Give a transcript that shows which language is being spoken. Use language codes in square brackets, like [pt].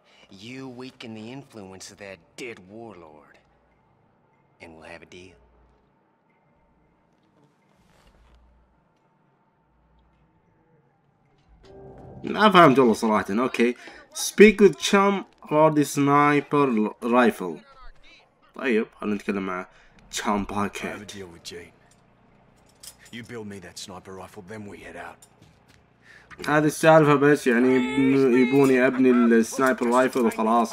[en] You weaken the influence of that dead warlord, and we'll have a deal. [ar] ما فهمت والله صراحة. [en] Okay speak with chum or the sniper rifle. [ar] طيب خلينا نتكلم مع chum باكيت. [en] I have a deal with Jeet. You build me that sniper rifle, then we head out. [ar] هذه السالفة بس يعني يبوني ابني السنايبر رايفل وخلاص.